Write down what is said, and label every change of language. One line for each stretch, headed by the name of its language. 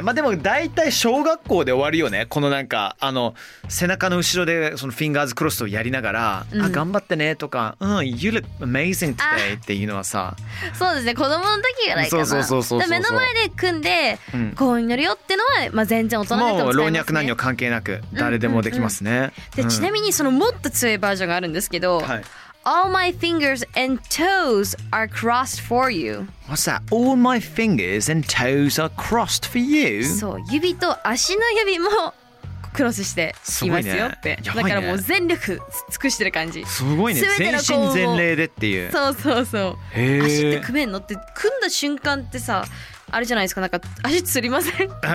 Japanese: まあでも大体小学校で終わるよね、このなんか背中の後ろでそのフィンガーズクロスをやりながら、うん、あ頑張ってねとか、うん、
English: You look amazing today
Japanese: っていうのはさ、そうですね、子供の時ぐらいかな。そう目の前で組んで幸運になるよってのは、まあ、全然大人でも使えますね。もう老若男女関係なく誰でもできますね、うんうんうん、でちなみにそのもっと強いバージョンがあるんですけど、はい、
English: All my fingers and toes are crossed for you. What's that? All my fingers and toes are crossed for you.
Japanese: そう、指と足の指もクロスしていますよって。すごいね。だからもう全力尽くしてる感じ。すごいね。全身全霊でっていう。そうそうそう。へー。足って組めんのって、組んだ瞬間ってさ、あれじゃないですか、なんか足つりません？